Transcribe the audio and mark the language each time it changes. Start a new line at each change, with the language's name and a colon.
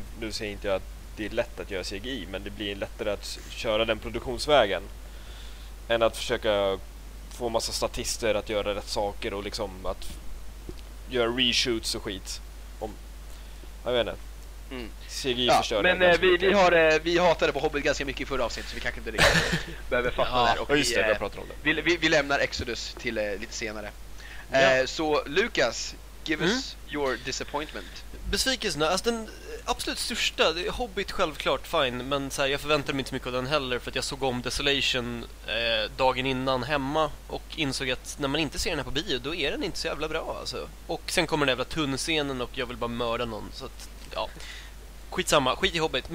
Swedish: Nu ser inte jag att det är lätt att göra CGI, men det blir lättare att köra den produktionsvägen än att försöka få massa statister att göra rätt saker och liksom att göra reshoots och skit. Jag vet inte. CGI, ja, förstör. Men vi hatade på Hobbit ganska mycket i förra avsnittet, så vi kanske inte riktigt behöver fatta det här. Och just det, vi pratar om det. Vi lämnar Exodus till lite senare. Ja.
English: Så Lucas, give us your disappointment.
Swedish: Besvikelsen, alltså den absolut största, Hobbit självklart, fine, men så här, jag förväntade mig inte mycket av den heller, för att jag såg om Desolation dagen innan hemma och insåg att när man inte ser den här på bio, då är den inte så jävla bra alltså. Och sen kommer den jävla tunnscenen och jag vill bara mörda någon, så att, ja, skitsamma, skit i Hobbit.